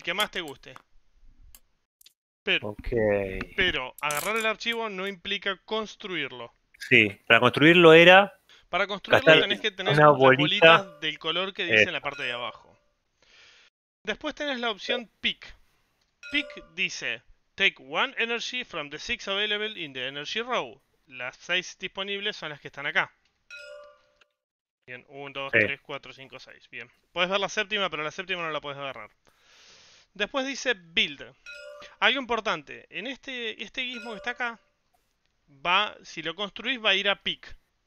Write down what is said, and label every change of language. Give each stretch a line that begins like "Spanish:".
Spanish: que más te guste. Pero Okay. agarrar el archivo no implica construirlo. Sí, para construirlo era Para construirlo gastar tenés que tener una las bolita. bolitas del color que dice en Eso. la parte de abajo. Después tenés la opción Pick. Pick dice
English: Take one energy from the six available in the energy row.
Spanish: Las seis disponibles son las que están acá. Bien, 1, 2, 3, 4, 5, 6. Bien. Puedes ver la séptima, pero la séptima no la puedes agarrar. Después dice build. Algo importante. En este gizmo que está acá, va, si lo construís, va a ir a pick.